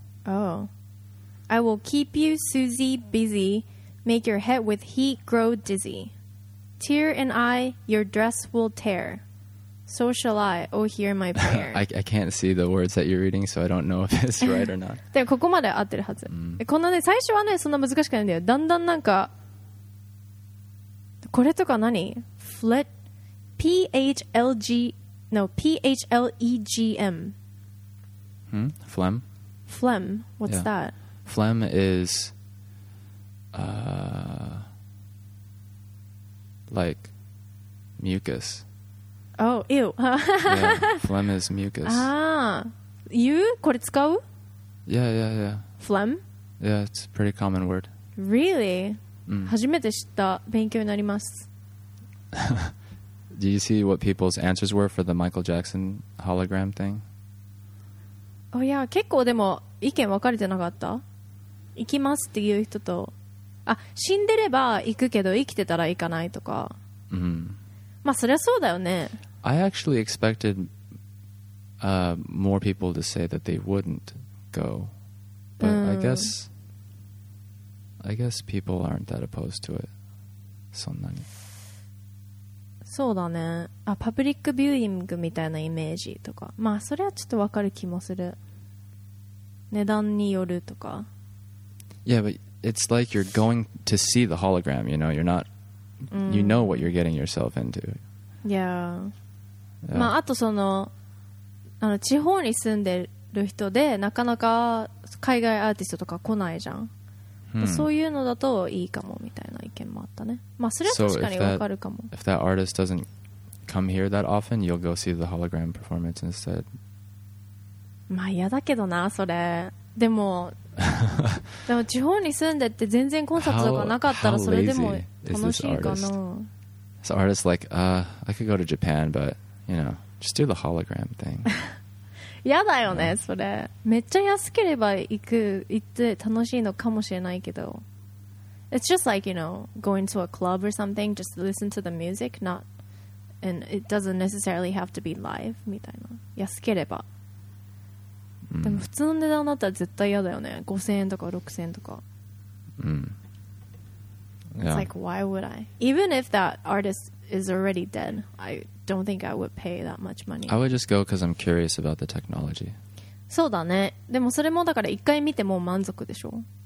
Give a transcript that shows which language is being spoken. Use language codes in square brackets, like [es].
[en] Oh. I will keep you, Susie, busy. Make your head with heat grow dizzy. Tear and I, your dress will tear. So shall I, oh, hear my prayer. I can't see the words that you're reading, so I don't know if it's right or not. [ja] でもここまで合ってるはず。このね、最初はね、そんな難しくないんだよ。だんだんなんか、これとか何？ [en] Flit, P-H-L-G, no, P-H-L-E-G-M. Hmm? Phlegm? Phlegm, what's that? Phlegm is... like mucus. Oh, ew. Yeah, phlegm is mucus. Ah, you? [ja] これ使う? [en] Yeah, yeah, yeah. Phlegm? Yeah, it's a pretty common word. [ja] Really? Mm. 初めて知った。勉強になります。 [en] Do you see what people's answers were for the Michael Jackson hologram thing? Oh, yeah. [ja] 結構でも意見分かれてなかった?行きますっていう人と。あ、死んでれば行くけど生きてたら行かないとか。 Mm-hmm. まあそりゃそうだよね。 [en] I actually expected more people to say that they wouldn't go. But I guess people aren't that opposed to it. [ja] そんなに。そうだね。あ、パブリックビューイングみたいなイメージとか。まあそれはちょっとわかる気もする。値段によるとか。 [en] Yeah, but... It's like you're going to see the hologram, you know. You're not, you know what you're getting yourself into. [ja] Yeah. まああとその、あの地方に住んでる人でなかなか海外アーティストとか来ないじゃん。そういうのだといいかもみたいな意見もあったね。まあそれは確かにわかるかも。 [en] If that artist doesn't come here that often, you'll go see the hologram performance instead. [ja] まあ嫌だけどな、それ。でも。でも地方に住んでって全然コンサートとかなかったらそれでも楽しいかな。 [en] So artists like, I could go to Japan, but you know, just do the hologram thing. [ja] やだよね、yeah. それ。めっちゃ安ければ行って楽しいのかもしれないけど。 [en] It's just like, you know, going to a club or something, just listen to the music, not, and it doesn't necessarily have to be live, [ja] みたいな。安ければ。でも普通の値段だったら絶対嫌だよね。 5000円とか6000円とか。 [en] Yeah. It's like, why would I? Even if that artist is already dead, I don't think I would pay that much money. I would just go because I'm curious about the technology. [ja] そうだね。でもそれもだから一回見ても満足でしょ?